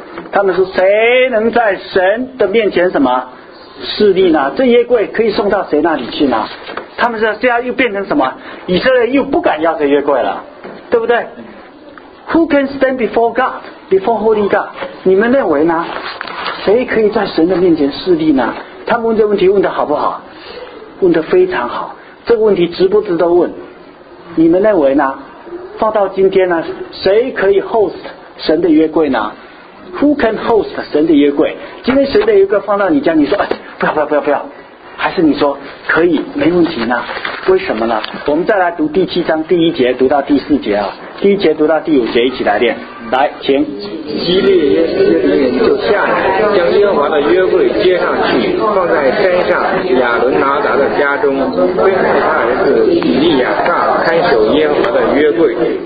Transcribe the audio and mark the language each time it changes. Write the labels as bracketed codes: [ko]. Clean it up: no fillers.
[zh] 他们说谁能在神的面前什么势力呢？这约柜可以送到谁那里去呢？他们说这样又变成什么？以色列又不敢要这约柜了，对不对？ [en] Who can stand before God, before Holy God? [zh] 你们认为呢？谁可以在神的面前势力呢？他们问这问题问得好不好？问得非常好。这个问题值不值得问？你们认为呢？放到今天呢，谁可以 host 神的约柜呢？ [en] Who can host [zh] 神的约柜？今天神的约柜放到你家，你说、哎、不要不要不要不要，还是你说可以没问题呢？为什么呢？我们再来读第七章第一节，读到第四节啊，第一节读到第五节，一起来念。来，请。基列耶斯的人就下来，将耶和华的约柜接上去，放在山上亚伦拿达的家中，威海他儿子以利亚撒看守耶和华的约柜。